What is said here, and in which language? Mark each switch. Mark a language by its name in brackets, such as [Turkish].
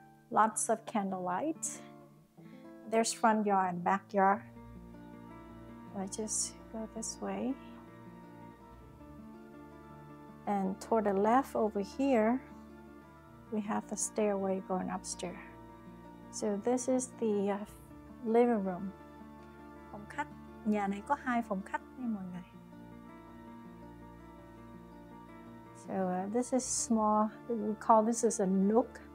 [English] Lots of candlelight. There's front yard and backyard. I just go this way. And toward the left over here, we have the stairway going upstairs. So this is the living room. [Vietnamese] Phòng khách. Nhà này có hai phòng khách nha mọi người. [English] So this is small, we call this is a nook.